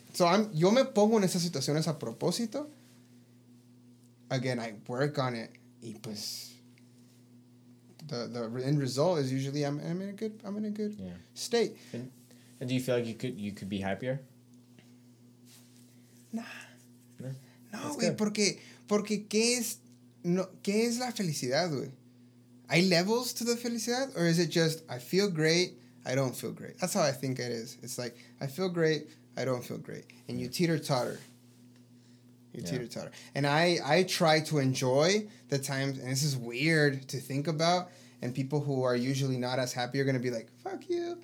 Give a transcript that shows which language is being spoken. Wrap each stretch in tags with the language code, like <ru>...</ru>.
<en>So I'm,</en> <es>yo me pongo en esas situaciones a propósito.</es> <en>Again, I work on it.</en> <es>Y pues,</es> <en>the end result is usually I'm in a good state. And do you feel like you could be happier? Nah.</en> <es>No, güey, porque qué es la felicidad, güey?</es> <en>Hay levels to the felicidad, or is it just I feel great, I don't feel great? That's how I think it is. It's like I feel great, I don't feel great, and you teeter totter. And I try to enjoy the times, and this is weird to think about, and people who are usually not as happy are going to be like, fuck you.</en>